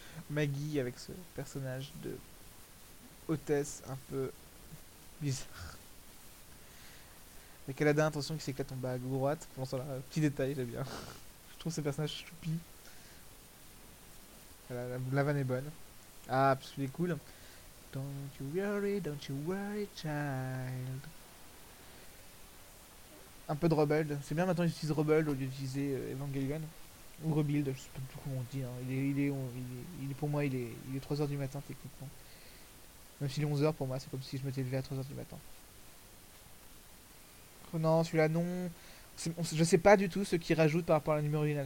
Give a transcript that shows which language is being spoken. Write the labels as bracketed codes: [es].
[fr] Maggie, avec ce personnage de hôtesse un peu bizarre. Mais qu'elle a d'intention qu'il s'éclate en bas à droite. Bon, ça, là, petit détail, j'aime bien. Je trouve ce personnage choupi. Voilà, la vanne est bonne. Ah, parce qu'il est cool. [en] Don't you worry, don't you worry, child. [fr] Un peu de Rebuild. C'est bien maintenant qu'ils utilisent Rebuild au lieu d'utiliser Evangelion. Ou Rebuild, je sais pas du tout comment on dit. Hein. Pour moi, il est 3h du matin, techniquement. Même s'il est 11h pour moi, c'est comme si je m'étais levé à 3h du matin. Non, celui-là, non. Je sais pas du tout ce qu'ils rajoutent par rapport à l'anime original.